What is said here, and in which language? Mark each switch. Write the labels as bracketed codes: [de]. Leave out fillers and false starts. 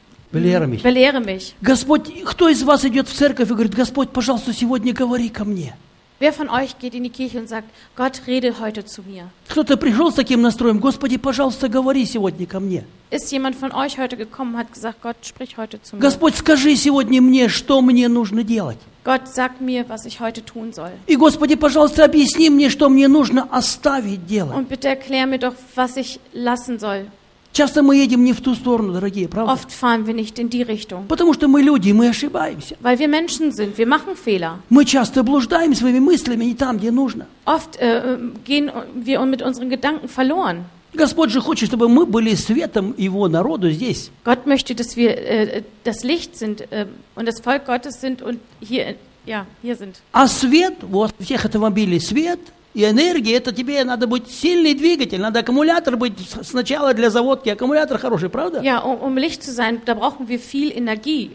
[de] belehre mich. [ru] Господь, кто из вас идет в церковь и говорит: Господь, пожалуйста, сегодня говори ко мне? [de] Wer von euch geht in die Kirche und sagt: Gott, rede heute zu mir? [ru] Кто-то пришел с таким настроем: Господи, пожалуйста, говори сегодня ко мне? [de] Ist jemand von euch heute gekommen, hat gesagt: Gott, sprich heute zu mir? [ru] Господь, скажи сегодня мне, что мне нужно делать? [de] Gott, sag mir, was ich heute tun soll. [ru] И Господи, пожалуйста, объясни мне, что мне нужно оставить делать. [de] Und bitte erklär mir doch, was ich lassen soll. [ru] Часто мы едем не в ту сторону, дорогие, правда? [de] Oft fahren wir nicht in die Richtung. [ru] Потому что мы люди, мы ошибаемся. [de] Weil wir Menschen sind, wir machen Fehler. [ru] Мы часто блуждаем своими мыслями не там, где нужно. [de] Oft gehen wir mit unseren Gedanken verloren. [ru] Господь же хочет, чтобы мы были светом Его народу здесь. [de] Gott möchte, dass wir das Licht sind und das Volk Gottes sind und hier, ja, hier sind. [ru] А свет, вот у всех автомобилей свет. И энергия, это тебе надо быть сильный двигатель, надо аккумулятор быть сначала для заводки, аккумулятор хороший, правда? [de] Ja, um Licht zu sein, da brauchen wir viel Energie.